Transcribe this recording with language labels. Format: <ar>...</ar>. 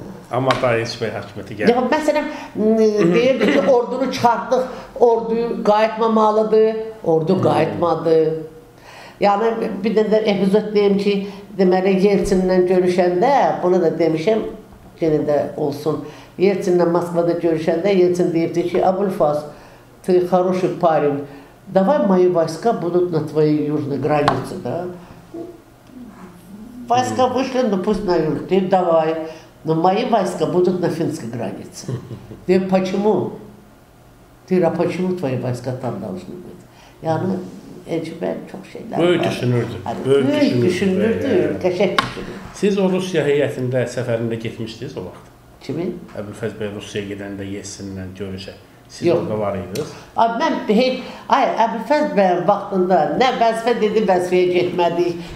<az>Amma daha Elçibəy hakimiyyəti gəlib. Yəni, məsələn, deyirdi ki, ordunu çıxartdıq, orduyu qayıtmamalıdır, ordu qayıtmadı. Yəni, bir də epizod deyim ki, deməli, Yeltsinlə görüşəndə, bunu da demişəm, yenə də olsun. Yeltsinlə Moskvada görüşəndə Yeltsin deyibdi ki,</az> <ru>Abulfas, ты хороший парень, давай мои войска будут на твоей южной границе, да? Войска вышли, ну пусть на юг, ты давай, но мои войска будут на финской границе. Ты почему? Ты, а почему твои войска там должны быть?</ru> <az>Yani, Elçibəy çox şeylər var. Böyük düşünürdü. Böyük düşünürdü, qəşək düşünürdü. Siz o Rusiya heyətində, səfərində getmişdiniz o vaxt? Kimin? Əbülfəz bəy Rusiyaya gedəndə Yeltsinlə görüşə. Siz orada var idiniz. Mən heç, Əbülfəz bəyin vaxtında nə vəzifə dedi, vəzifəyə getmədik.</az>